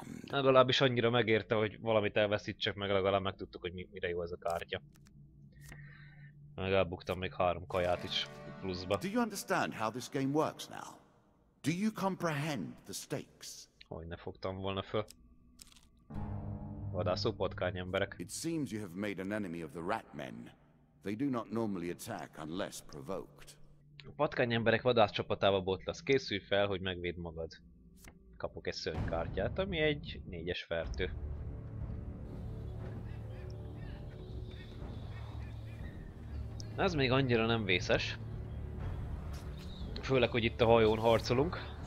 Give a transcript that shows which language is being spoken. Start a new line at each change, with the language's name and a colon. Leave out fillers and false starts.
Hungarian: Legalábbis annyira megérte, hogy valamit elveszítsek meg, legalább megtudtuk, hogy mire jó ez a kártya. Meg elbuktam még 3 kaját is pluszba.
English: Do you understand how this game works now? Do you comprehend the stakes?
Hungarian: Hogy ne fogtam volna föl. Vadászó patkány emberek.
English: It seems you have made an enemy of the ratmen. They do not normally attack unless provoked.
Hungarian: A patkány emberek vadász csapatába botlasz. Készülj fel, hogy megvéd magad. Kapok egy szörnykártyát, ami egy 4-es fertő. Ez még annyira nem vészes. Főleg, hogy itt a hajón harcolunk.